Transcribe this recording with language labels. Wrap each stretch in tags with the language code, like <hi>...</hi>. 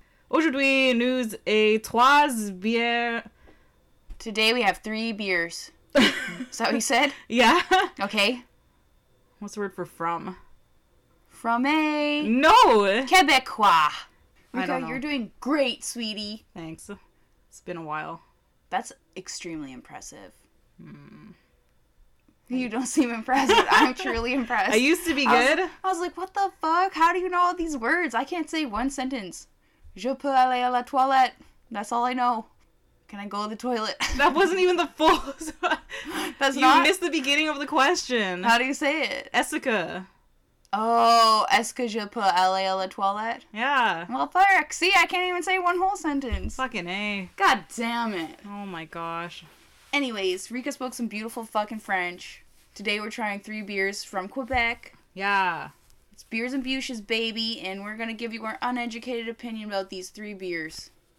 <fr>Aujourd'hui, nous avons trois bières.</fr> <en>Today we have three beers. Is that what you said? Yeah. Okay. What's the word for from? From a... No! Québécois. Rika, you're doing great, sweetie. Thanks. It's been a while. That's extremely impressive. You don't seem impressed. I'm truly impressed. I used to be good. I was like, what the fuck? How do you know all these words? I can't say one sentence.</en> <fr>Je peux aller à la toilette.</fr> <en>That's all I know. Can I go to the toilet? That wasn't even the full... That's you not... You missed the beginning of the question. How do you say it? Essica.</en> <fr>Oh, est-ce que je peux aller à la toilette?</fr> <en>Yeah. Well, fuck. See, I can't even say one whole sentence. Fucking A. God damn it. Oh my gosh. Anyways, Rika spoke some beautiful fucking French. Today we're trying three beers from Quebec. Yeah. It's Beers and Bûches, baby, and we're going to give you our uneducated opinion about these three beers.</en>